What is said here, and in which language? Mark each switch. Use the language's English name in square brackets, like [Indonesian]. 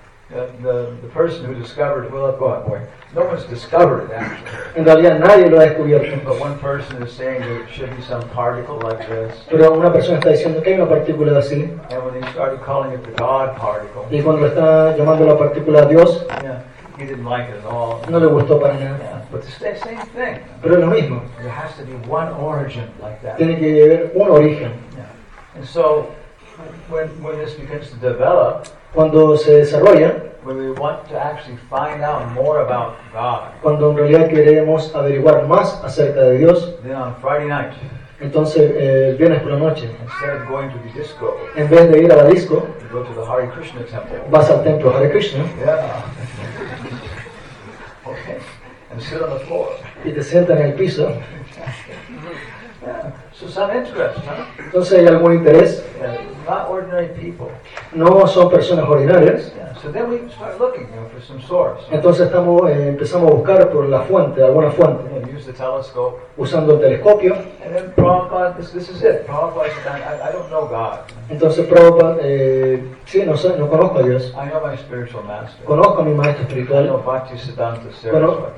[English] The person who discovered it, well, at one point, no one's discovered it actually. [Spanish] En realidad, nadie lo ha descubierto. [English] But one person is saying there should be some particle like this. [Spanish] Pero una persona está diciendo que hay una partícula así. [English] And when he started calling it the God particle. [Spanish] Y cuando está llamando la partícula Dios. [English] Yeah. He didn't like it at all. [Spanish] No le gustó para nada. [English] Yeah, but it's the same thing. [Spanish] Pero es lo mismo. [English] There has to be one origin like that. [Spanish] Tiene que haber un origen. [English] Yeah. And so, when this begins to develop, [Spanish] cuando se desarrolla, [English] when we want to actually find out more about God, [Spanish] cuando en realidad queremos averiguar más acerca de Dios, [English] then on Friday night, [Spanish] entonces el viernes por la noche, [English] instead of going to the disco, [Spanish] en vez de ir a la disco, [English] you go to the Hare Krishna temple. [Spanish] Vas al templo Hare Krishna. [English] Yeah. and sit on the floor. [Spanish] Y te sientas en el piso. [English] So some interest, huh? [Spanish] Entonces hay algún interés. [English] Not ordinary people. [Spanish] No son personas ordinarias. [English] So then we start looking, you know, for some source. [Spanish] Entonces empezamos a buscar por la fuente, alguna fuente. [English] And use the telescope. [Spanish] Usando el telescopio. [English] And then Prabhupada, this is it. Prabhupada said, I don't know God. [Spanish] Entonces Prabhupada, sí, no sé, no conozco a Dios. [English] I know my spiritual master. [Spanish] Conozco a mi maestro espiritual. [English] I know Bhaktisiddhanta Saraswati.